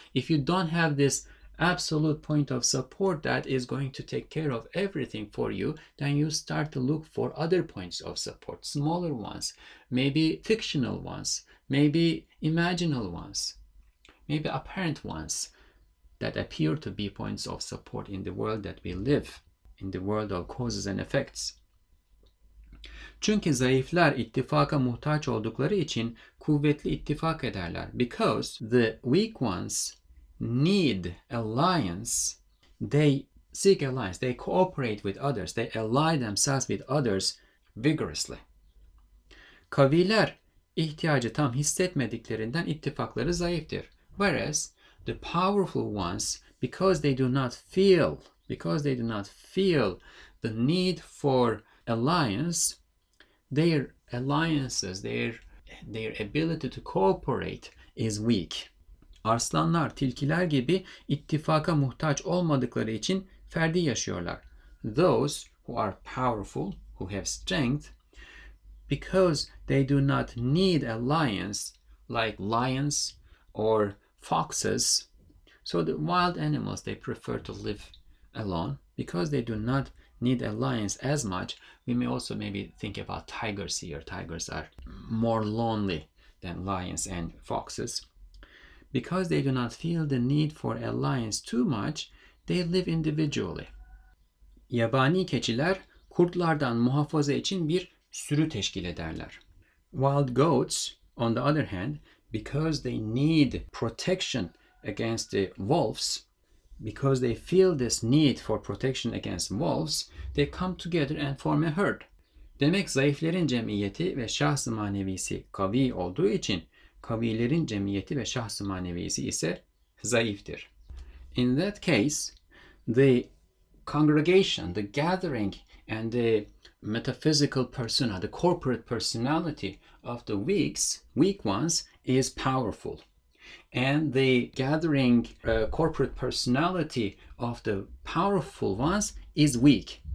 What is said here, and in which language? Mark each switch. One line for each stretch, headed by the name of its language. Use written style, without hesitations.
English: If you don't have this absolute point of support that is going to take care of everything for you, then you start to look for other points of support, smaller ones, maybe fictional ones, maybe imaginal ones, maybe apparent ones that appear to be points of support in the world that we live, in the world of causes and effects.
Turkish: Çünkü zayıflar ittifaka muhtaç oldukları için kuvvetli ittifak ederler.
English: Because the weak ones need alliance, they seek alliance, they cooperate with others, they ally themselves with others vigorously.
Turkish: Kaviler ihtiyacı tam hissetmediklerinden ittifakları zayıftır.
English: Whereas the powerful ones, because they do not feel the need for alliance, their alliances, their their ability to cooperate is weak.
Turkish: Arslanlar tilkiler gibi ittifaka muhtaç olmadıkları için ferdi yaşıyorlar.
English: Those who are powerful, who have strength, because they do not need alliance like lions or foxes. So the wild animals, they prefer to live alone because they do not need alliance as much. We may also maybe think about tigers here. Tigers are more lonely than lions and foxes. Because they do not feel the need for alliance too much, they live individually.
Turkish: Yabani keçiler kurtlardan muhafaza için bir sürü teşkil ederler.
English: Wild goats, on the other hand, because they need protection against the wolves, because they feel this need for protection against wolves, they come together and form a herd.
Turkish: Demek zayıflerin cemiyeti ve şahs-ı manevisi kavi olduğu için, kavilerin cemiyeti ve şahs-ı manevisi ise zayıftır.
English: In that case, the congregation, the gathering, and the metaphysical persona, the corporate personality of the weak ones, is powerful. And the gathering corporate personality of the powerful ones is weak.